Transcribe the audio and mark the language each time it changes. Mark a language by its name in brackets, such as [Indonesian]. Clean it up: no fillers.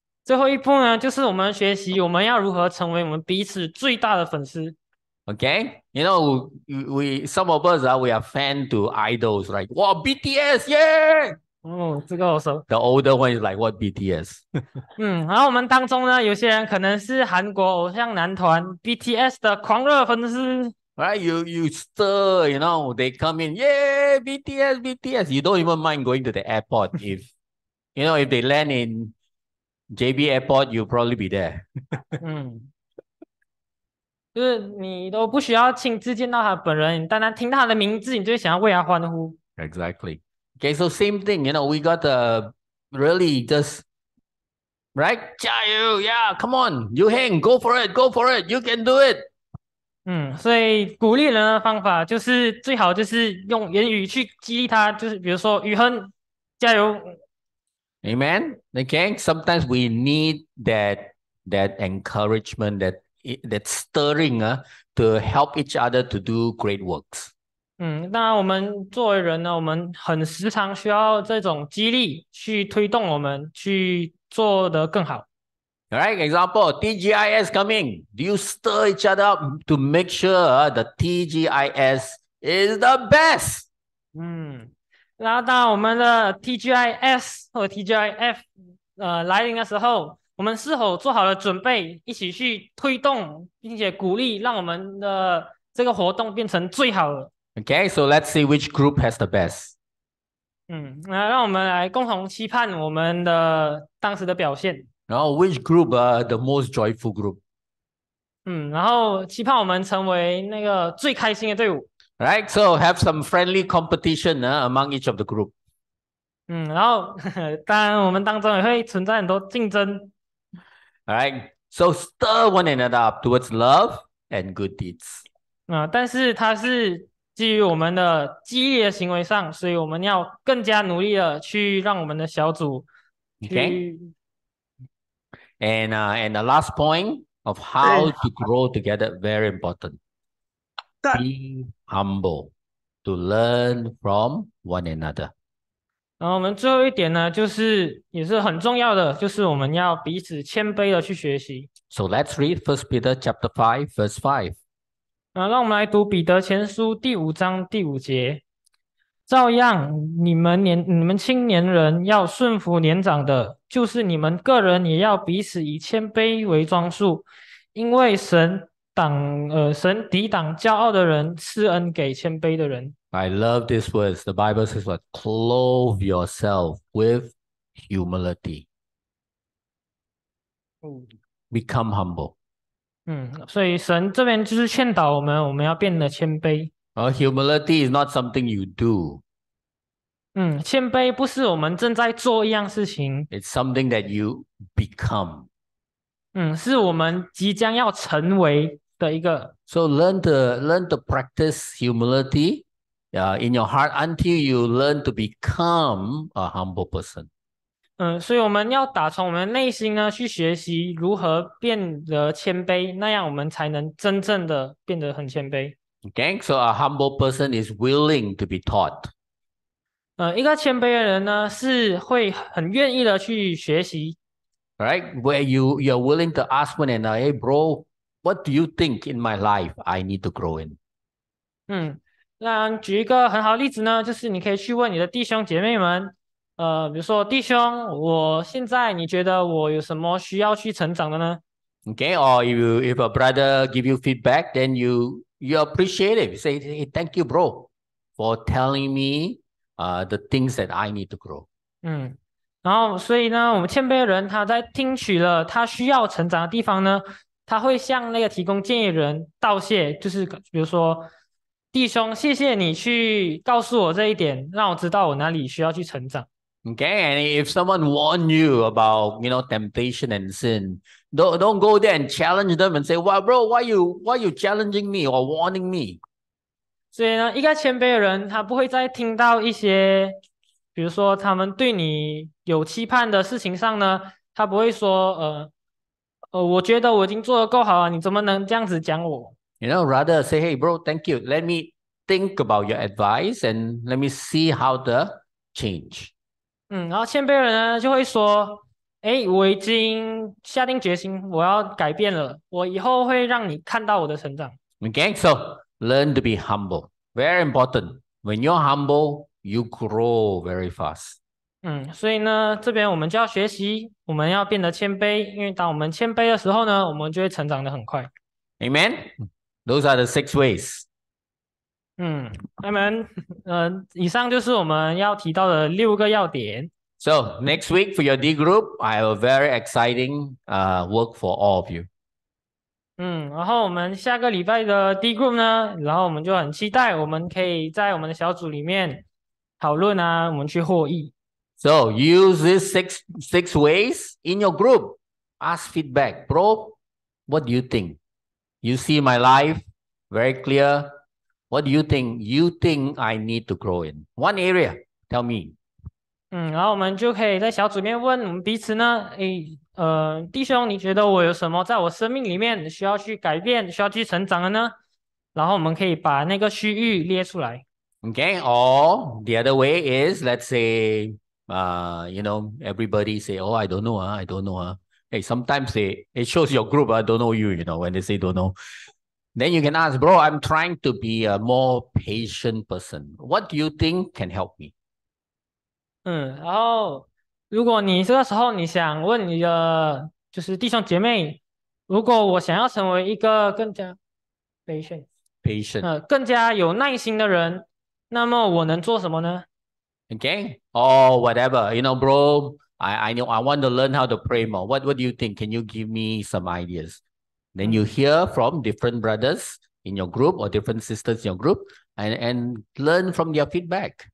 [Chinese] 最后一步呢，就是我们学习我们要如何成为我们彼此最大的粉丝。 [English] Okay, you know, we some of us we are fan to idols, right? Wow, BTS, yeah! [Chinese] 这个我熟。 [English] The older one is like, what BTS? [Chinese] 然后我们当中呢，有些人可能是韩国偶像男团 BTS 的狂热粉丝。 [English] Right, you stir, you know, they come in, yeah, BTS, BTS. You don't even mind going to the airport if, you know, if they land in JB Airport, you'll probably be there. [Chinese] 就是你都不需要亲自见到他本人，单单听他的名字，你就想要为他欢呼。 [English] Exactly. Okay, so same thing, you know, we got the really just, right? [Chinese] 加油 [English] yeah, come on, you hang, go for it, you can do it. [Chinese] 所以鼓励人的方法就是最好就是用言语去激励他，就是比如说宇恒，加油。 [English] Amen. Okay, sometimes we need that encouragement, that stirring to help each other to do great works. [Chinese] 那我们作为人呢，我们很时常需要这种激励去推动我们去做得更好。 [English] All right, example, TGIS coming. Do you stir each other up to make sure the TGIS is the best? [Chinese] 然后当我们的 TGIS 或 TGIF 来临的时候，我们是否做好了准备，一起去推动并且鼓励，让我们的这个活动变成最好的 [English] ？Okay, so let's see which group has the best. [Chinese] 那让我们来共同期盼我们的当时的表现。 [English] 然后 which group the most joyful group? [Chinese] 然后期盼我们成为那个最开心的队伍。 [English] Right, so have some friendly competition among each of the group. [Chinese] 然后当然我们当中也会存在很多竞争。 [English] Alright, so stir one another up towards love and good deeds. [Chinese] 但是它是基于我们的激励的行为上，所以我们要更加努力的去让我们的小组去。 [English] Okay. And the last point of how to grow together, very important. Be humble to learn from one another. [Chinese] 然后我们最后一点呢，就是也是很重要的，就是我们要彼此谦卑的去学习。 [English] So let's read 1 Peter chapter 5, verse 5. [Chinese] 让我们来读彼得前书第五章第五节。照样，你们青年人要顺服年长的，就是你们个人也要彼此以谦卑为装束，因为神抵挡骄傲的人，赐恩给谦卑的人。 [English] I love this verse. The Bible says, "What clothe yourself with humility, become humble." [Chinese] 所以神这边就是劝导我们，我们要变得谦卑。 [English] Humility is not something you do. [Chinese] 谦卑不是我们正在做一样事情。 [English] It's something that you become. [Chinese] 是我们即将要成为的一个。 [English] So learn to practice humility. In your heart until you learn to become a humble person. [Chinese] 所以我们要打从我们内心呢去学习如何变得谦卑，那样我们才能真正的变得很谦卑。 [English] Okay, so a humble person is willing to be taught. [Chinese] 一个谦卑的人呢是会很愿意的去学习。 [English] Right, where you're willing to ask one another, hey bro, what do you think in my life I need to grow in? [Chinese] 那举一个很好的例子呢，就是你可以去问你的弟兄姐妹们，比如说弟兄，我现在你觉得我有什么需要去成长的呢？ [English] Okay, or if a brother give you feedback, then you appreciate it. You say, hey, thank you, bro, for telling me the things that I need to grow. [Chinese] 然后所以呢，我们谦卑的人他在听取了他需要成长的地方呢，他会向那个提供建议的人道谢，就是比如说。弟兄，谢谢你去告诉我这一点，让我知道我哪里需要去成长。 [English] Okay, and if someone warn you about, you know, temptation and sin, don't go there and challenge them and say, "Well, bro, why you challenging me or warning me?" [Chinese] 所以呢，一个谦卑的人，他不会在听到一些，比如说他们对你有期盼的事情上呢，他不会说，我觉得我已经做得够好了，你怎么能这样子讲我？ [English] You know, rather say, hey, bro, thank you. Let me think about your advice and let me see how to change. [Chinese] 然后谦卑人呢就会说，哎，我已经下定决心，我要改变了。我以后会让你看到我的成长。 [English] Okay, so learn to be humble. Very important. When you're humble, you grow very fast. [Chinese] 嗯，所以呢，这边我们就要学习，我们要变得谦卑，因为当我们谦卑的时候呢，我们就会成长得很快。 [English] Amen. Those are the six ways. 嗯 ，Amen. [Chinese] 以上就是我们要提到的六个要点。 [English] So next week for your D group, I have a very exciting work for all of you. [Chinese] 嗯，然后我们下个礼拜的 D group 呢，然后我们就很期待，我们可以在我们的小组里面讨论啊，我们去获益。 [English] So use these six ways in your group. Ask feedback, bro. What do you think? You see my life very clear. What do you think? You think I need to grow in one area? Tell me. [Chinese] 嗯，然后我们就可以在小组里面问我们彼此呢，诶，弟兄，你觉得我有什么在我生命里面需要去改变、需要去成长的呢？然后我们可以把那个区域列出来。 [English] Okay, or the other way is, let's say, you know, everybody say, oh, I don't know. Hey, sometimes it shows your group, I don't know you, you know, when they say don't know. Then you can ask, bro, I'm trying to be a more patient person. What do you think can help me? [Chinese] 嗯，然后如果你这个时候你想问你的就是弟兄姐妹，如果我想要成为一个更加 patient，更加有耐心的人，那么我能做什么呢？ [English] Okay, or whatever, you know, bro, I want to learn how to pray more. What do you think? Can you give me some ideas? Then you hear from different brothers in your group or different sisters in your group, and learn from their feedback.